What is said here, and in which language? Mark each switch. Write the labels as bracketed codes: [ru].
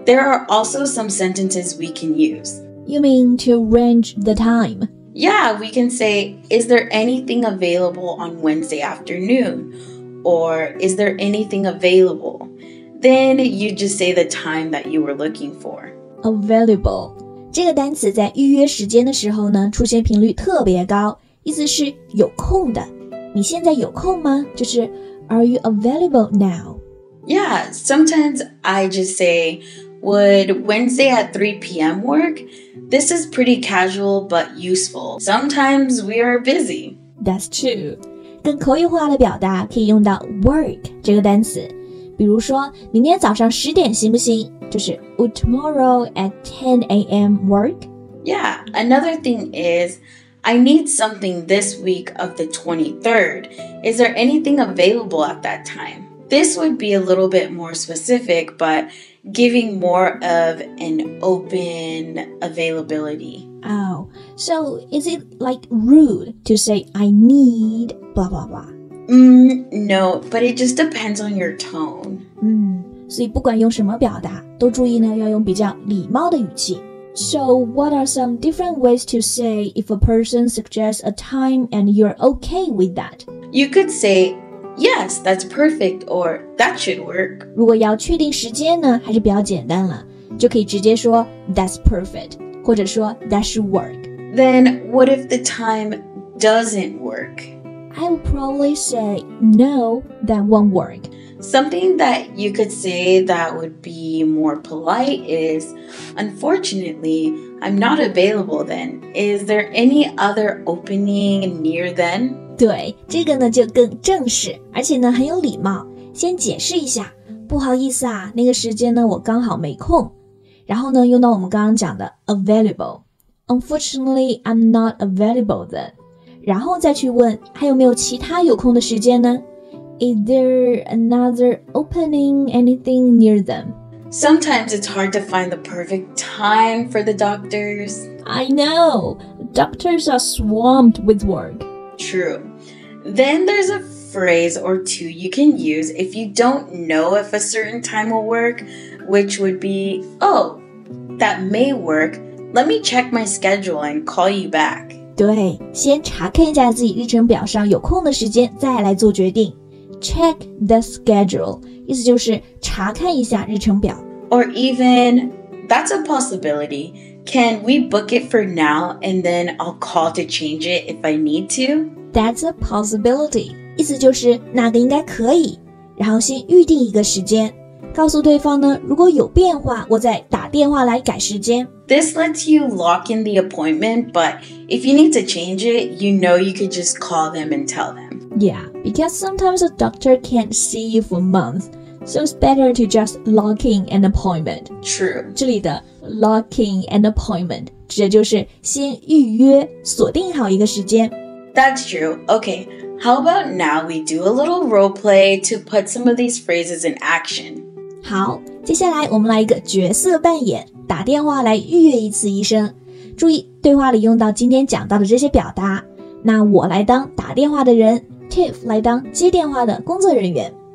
[en] There are also some sentences we can use. You mean to arrange the time? Yeah, we can say, is there anything available on Wednesday afternoon? Or is there anything available? Then you just say the time that you were looking for. Available. [zh] 这个单词在预约时间的时候呢，出现频率特别高，意思是有空的。你现在有空吗？就是 [en] are you available now? Yeah, sometimes I just say,Would Wednesday at 3 p.m. work? This is pretty casual but useful. Sometimes we are busy. That's true. [zh] 更口语化的表达可以用到 work 这个单词。比如说明天早上10点行不行？就是 [en] Would tomorrow at 10 a.m. work? Yeah, another thing is, I need something this week of the 23rd. Is there anything available at that time? This would be a little bit more specific, but giving more of an open availability. Oh, so is it like rude to say I need blah blah blah? No, but it just depends on your tone. [zh] 所以不管用什么表达，都注意呢，要用比较礼貌的语气。 [en] So what are some different ways to say if a person suggests a time and you're okay with that? You could say,Yes, that's perfect, or that should work. [zh] 如果要确定时间呢，还是比较简单了，就可以直接说 [en] that's perfect, [zh] 或者说 [en] that should work. Then what if the time doesn't work? I would probably say no, that won't work. Something that you could say that would be more polite is, unfortunately, I'm not available then. Is there any other opening near then? [zh] 对，这个呢就更正式，而且呢很有礼貌。先解释一下，不好意思啊，那个时间呢我刚好没空。然后呢用到我们刚刚讲的 available， [en] unfortunately I'm not available then。 [zh] 然后再去问还有没有其他有空的时间呢？ [en] Is there another opening anything near them？ Sometimes it's hard to find the perfect time for the doctors. I know, doctors are swamped with work. True. Then there's a phrase or two you can use if you don't know if a certain time will work, which would be, oh, that may work. Let me check my schedule and call you back. [zh] 对，先查看一下自己日程表上有空的时间，再来做决定。 [en] Check the schedule, [zh] 意思就是查看一下日程表。 [en] Or even, that's a possibility. Can we book it for now, and then I'll call to change it if I need to? That's a possibility. [zh] 意思就是那个应该可以。然后先预定一个时间，告诉对方呢，如果有变化，我再打电话来改时间。 [en] This lets you lock in the appointment, but if you need to change it, you know you could just call them and tell them. Yeah, because sometimes a doctor can't see you for months, so it's better to just lock in an appointment. True. [zh] 这里的 [en] lock in an appointment [zh] 指的就是先预约，锁定好一个时间。 [en] That's true. Okay, how about now we do a little role play to put some of these phrases in action? [zh] 好，接下来我们来一个角色扮演，打电话来预约一次医生。注意，对话里用到今天讲到的这些表达。那我来当打电话的人 ，Tiff 来当接电话的工作人员。